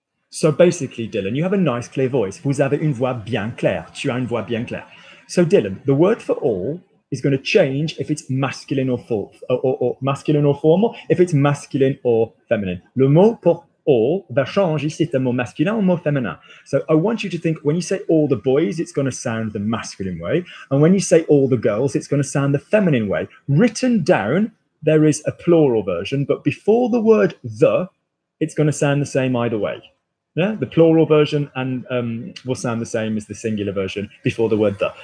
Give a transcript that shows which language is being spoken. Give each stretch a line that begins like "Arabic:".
English: So basically, Dylan, you have a nice clear voice.
French: Vous avez une voix bien claire. Tu as une voix bien claire.
English: So Dylan, the word for all is going to change if it's masculine or, masculine or formal, if it's masculine or feminine.
French: Le mot pour all va changer si c'est un mot masculin ou mot féminin.
English: So I want you to think, when you say all the boys, it's going to sound the masculine way. And when you say all the girls, it's going to sound the feminine way. Written down, there is a plural version, but before the word the, it's going to sound the same either way. Yeah, the plural version and will sound the same as the singular version before the word the.